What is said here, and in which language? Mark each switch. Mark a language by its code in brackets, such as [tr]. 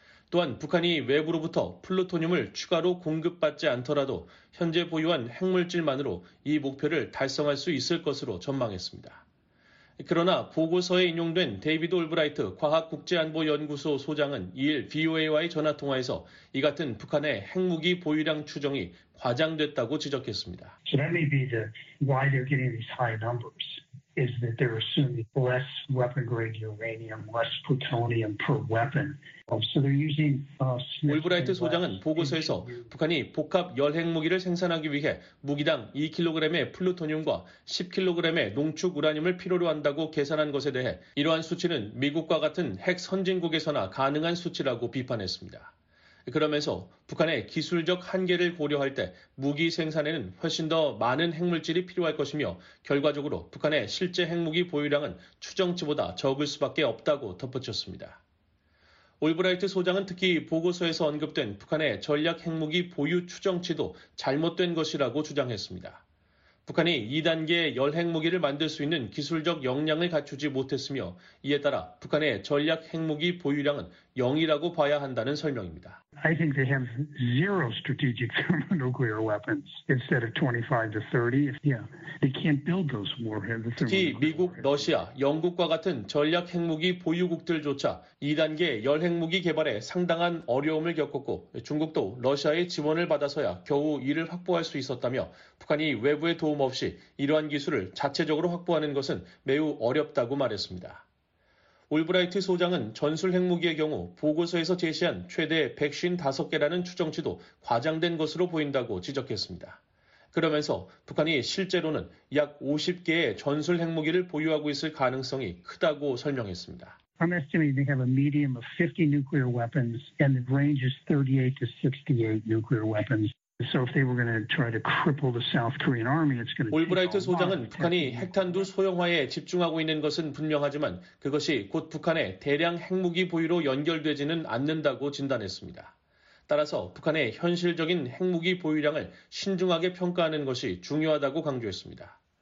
[ko] 또한 북한이 외부로부터 플루토늄을 추가로 공급받지 않더라도 현재 보유한 핵물질만으로 이 목표를 달성할 수 있을 것으로 전망했습니다. 그러나 보고서에 인용된 데이비드 올브라이트 과학국제안보연구소 소장은 2일 VOA와의 전화통화에서 이 같은 북한의 핵무기 보유량 추정이 과장됐다고 지적했습니다. [en] So that may be the why they're getting these high numbers is that they're assuming less weapon-grade uranium, less plutonium per weapon. So [ko] 올브라이트 소장은 보고서에서 북한이 복합 열핵무기를 생산하기 위해 무기당 2kg의 플루토늄과 10kg의 농축 우라늄을 필요로 한다고 계산한 것에 대해 이러한 수치는 미국과 같은 핵 선진국에서나 가능한 수치라고 비판했습니다. 그러면서 북한의 기술적 한계를 고려할 때 무기 생산에는 훨씬 더 많은 핵물질이 필요할 것이며 결과적으로 북한의 실제 핵무기 보유량은 추정치보다 적을 수밖에 없다고 덧붙였습니다. 올브라이트 소장은 특히 보고서에서 언급된 북한의 전략 핵무기 보유 추정치도 잘못된 것이라고 주장했습니다. 북한이 2단계 열핵무기를 만들 수 있는 기술적 역량을 갖추지 못했으며 이에 따라 북한의 전략 핵무기 보유량은 0이라고 봐야 한다는 설명입니다. [en] I think they have zero strategic thermonuclear weapons instead of 25 to 30. Yeah, they can't build those warheads. [ko] 특히 미국, 러시아, 영국과 같은 전략 핵무기 보유국들조차 2단계 열핵무기 개발에 상당한 어려움을 겪었고 중국도 러시아의 지원을 받아서야 겨우 이를 확보할 수 있었다며 북한이 외부의 도움 없이 이러한 기술을 자체적으로 확보하는 것은 매우 어렵다고 말했습니다. 올브라이트 소장은 전술 핵무기의 경우 보고서에서 제시한 최대 155개라는 추정치도 과장된 것으로 보인다고 지적했습니다. 그러면서 북한이 실제로는 약 50개의 전술 핵무기를 보유하고 있을 가능성이 크다고 설명했습니다. [en] I'm estimating they have a medium of 50 nuclear weapons and the range is 38 to 68 nuclear weapons. So if they were going to try to cripple the South Korean army, it's going to. [ko] 올브라이트 소장은 북한이 핵탄두 소형화에 집중하고 있는 것은 분명하지만 그것이 곧 북한의 대량 핵무기 보유로 연결되지는 않는다고 진단했습니다. 따라서 북한의 현실적인 핵무기 보유량을 신중하게 평가하는 것이 중요하다고 강조했습니다.